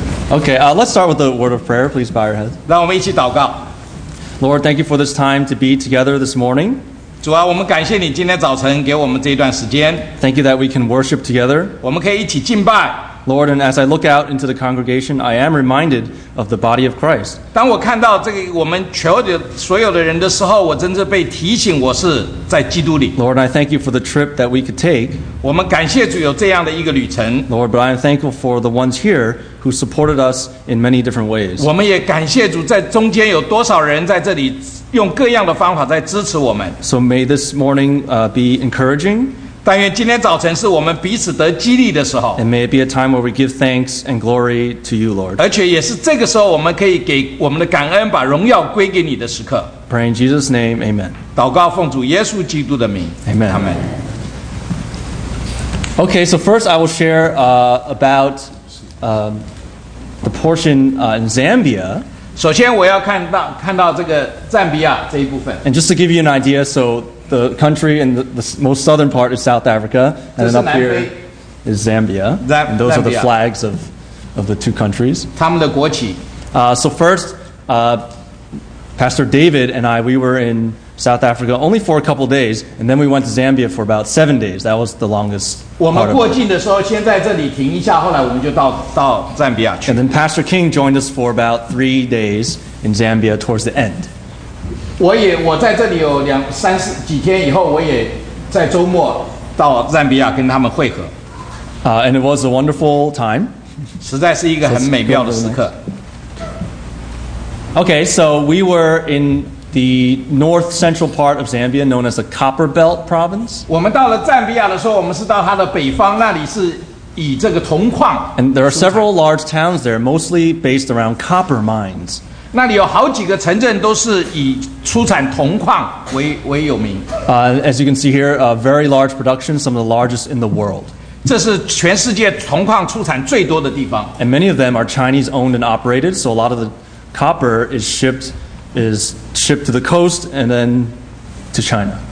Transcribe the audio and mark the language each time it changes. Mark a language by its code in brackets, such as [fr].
[en] Okay, let's start with a word of prayer. Please bow your heads. [zh] 让我们一起祷告。 [en] Lord, thank you for this time to be together this morning. [zh] 主啊，我们感谢你今天早晨给我们这一段时间。 [en] Thank you that we can worship together. [zh] 我们可以一起敬拜。 [en] Lord, and as I look out into the congregation, I am reminded of the body of Christ. [zh] 当我看到这个我们全体所有的人的时候，我真正被提醒我是在基督里。 [en] Lord, I thank you for the trip that we could take. [zh] 我们感谢主有这样的一个旅程。 [en] Lord, but I am thankful for the ones here who supported us in many different ways. [zh] 我们也感谢主在中间有多少人在这里用各样的方法在支持我们。 [en] So may this morning be encouraging. [zh] 但愿今天早晨是我们彼此得激励的时候。 [en] And may it be a time where we give thanks and glory to you, Lord. [zh] 而且也是这个时候，我们可以给我们的感恩，把荣耀归给你的时刻。 [en] Pray in Jesus' name, Amen. [zh] 祷告奉主耶稣基督的名 [en] ，Amen. Amen. Okay, so first I will share about the portion in Zambia. [zh] 首先我要看到这个赞比亚这一部分。 [en] And just to give you an idea, so the country and the most southern part is South Africa, and then up here is Zambia. And those are the flags of the two countries. [zh] 他们的国旗。 [en] So first, Pastor David and I, we were in South Africa only for a couple days, and then we went to Zambia for about 7 days. That was the longest part. [zh] 我们过境的时候先在这里停一下，后来我们就到赞比亚去。 [en] And then Pastor King joined us for about 3 days in Zambia towards the end. [zh] 我在这里有两三四几天以后，我也在周末到赞比亚跟他们会合。 [en] And it was a wonderful time. [zh] 实在是一个很美妙的时刻。 [en] Okay, so we were in. The north central part of Zambia, known as the Copper Belt Province. [zh] 我们到了赞比亚的时候，我们是到它的北方，那里是以这个铜矿。 [en] And there are several large towns there, mostly based around copper mines. [zh] 那里有好几个城镇都是以出产铜矿为有名。 [en] As you can see here, a very large production, some of the largest in the world. [zh] 这是全世界铜矿出产最多的地方。 [en] And many of them are Chinese owned and operated, so a lot of the copper is shipped to the coast and then to China.